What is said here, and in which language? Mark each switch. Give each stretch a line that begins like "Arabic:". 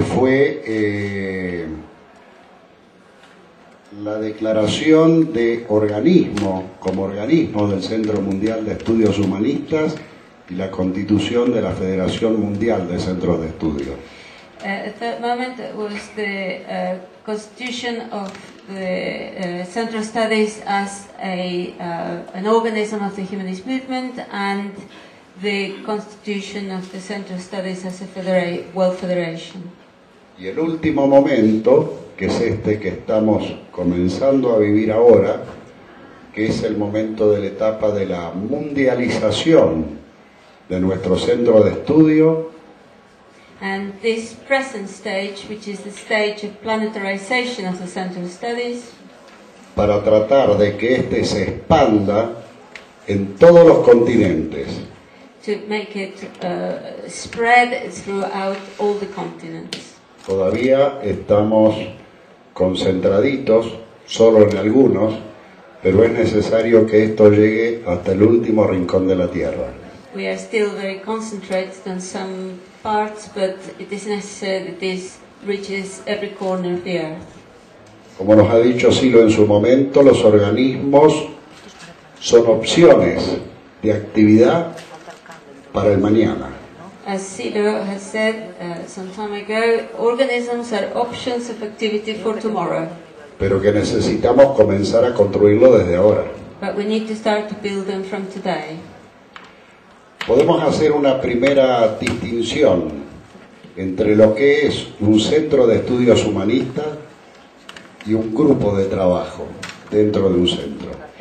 Spanish: fue la declaración de organismo, como organismo del Centro Mundial de Estudios Humanistas y la constitución de la Federación Mundial de Centros de Estudio.
English: Constitution of the Center of Studies as an organism of the humanist movement and the constitution of the Center of Studies as a world federation.
Spanish: Y el último momento, que es este que estamos comenzando a vivir ahora, que es el momento de la etapa de la mundialización de nuestro centro de estudio.
English: And this present stage, which is the stage of planetarization of the Center of Studies,
Spanish: para tratar de que este se expanda en todos los continentes.
English: To make it spread throughout all the continents.
Spanish: Todavía estamos concentraditos solo en algunos, pero es necesario que esto llegue hasta el último rincón de la Tierra.
English: We are still very concentrated on some parts, but it is necessary that this reaches every corner of the earth.
Spanish: Como nos ha dicho Silo en su momento, los organismos son opciones de actividad para el mañana.
English: As Silo has said some time ago, organisms are options of activity for tomorrow.
Spanish: Pero que necesitamos comenzar a construirlo desde ahora.
English: But we need to start to build them from today.
Spanish: Podemos hacer una primera distinción entre lo que es un centro de estudios humanistas y un grupo de trabajo dentro de un centro.